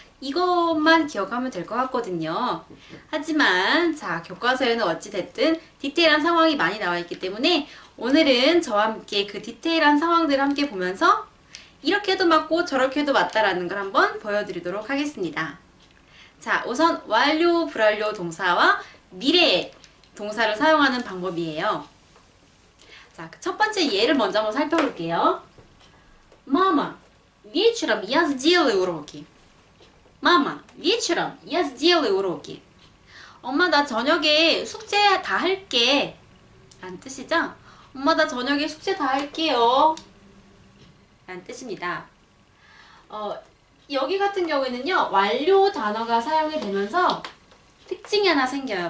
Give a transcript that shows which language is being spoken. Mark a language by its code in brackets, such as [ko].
[ko] 이것만 기억하면 될것 같거든요. 하지만 자, 교과서에는 어찌 됐든 디테일한 상황이 많이 나와 있기 때문에 오늘은 저와 함께 그 디테일한 상황들을 함께 보면서 이렇게도 맞고 저렇게도 맞다라는 걸 한번 보여드리도록 하겠습니다. 자, 우선 완료, 불완료 동사와 미래의 동사를 사용하는 방법이에요. 자, 그첫 번째 예를 먼저 한번 살펴볼게요. [ru] 마마, 위처럼 я сделаю уроки. 마마, 위처럼 я сделаю уроки. [ko] 엄마, 나 저녁에 숙제 다 할게. 라는 뜻이죠? 엄마, 나 저녁에 숙제 다 할게요. 라는 뜻입니다. 여기 같은 경우에는요, 완료 단어가 사용이 되면서 특징이 하나 생겨요.